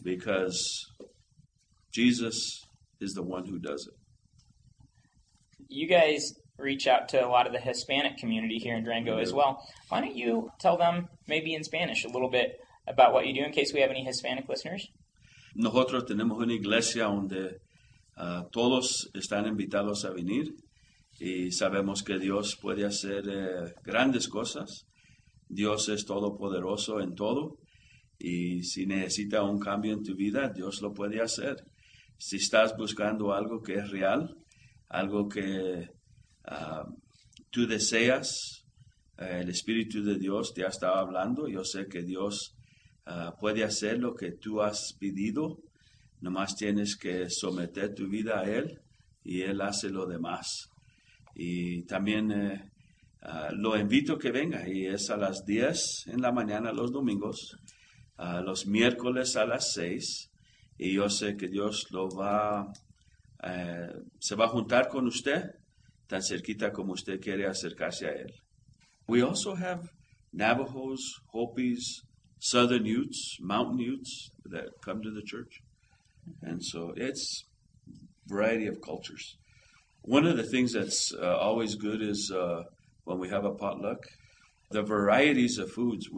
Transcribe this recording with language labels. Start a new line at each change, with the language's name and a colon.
English: Because Jesus is the one who does it. You guys reach out to a lot of the Hispanic community here in Durango as well. Why don't you tell them, maybe in Spanish, a little bit about what you do in case we have any Hispanic listeners?
Spanish: Nosotros tenemos una iglesia donde todos están invitados a venir. Y sabemos que Dios puede hacer grandes cosas. Dios es todopoderoso en todo. Y si necesita un cambio en tu vida, Dios lo puede hacer. Si estás buscando algo que es real, algo que tú deseas, el Espíritu de Dios te ha estado hablando. Yo sé que Dios puede hacer lo que tú has pedido. Nomás tienes que someter tu vida a Él y Él hace lo demás. Y también lo invito a que venga. Y es a las 10 en la mañana los domingos, los miércoles a las 6. Y yo sé que Dios lo va, se va a juntar con usted tan cerquita como usted quiere acercarse a Él.
English: We also have Navajos, Hopis, Southern Utes, Mountain Utes that come to the church. And so it's variety of cultures. One of the things that's always good is when we have a potluck, the varieties of foods.